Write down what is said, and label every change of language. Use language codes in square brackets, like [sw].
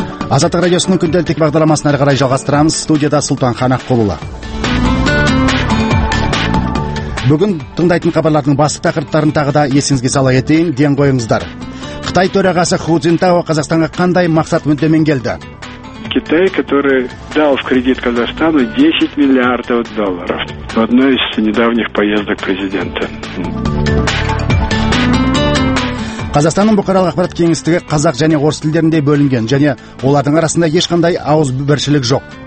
[kk] Азаттық радиосының күнделік бағдарламасын әрі қарай жалғастырамыз. Студияда Сұлтан Ханақұлы. Бүгін тыңдайтын хабарлардың басты тақырыптарын тағы да есіңізге сала кетейін, ден қойыңыздар. Қытай төрағасы Ху Цзиньтао Қазақстанға қандай мақсат мүддемен келді? [ru] Китай, который дал в кредит Казахстану 10 миллиардов долларов в одной из недавних поездок президента. [kk] Қазақстанның бұқаралық ақпарат кеңістігі қазақ және орыс тілдерінде бөлінген және олардың арасында ешқандай ауыз біршілік жоқ.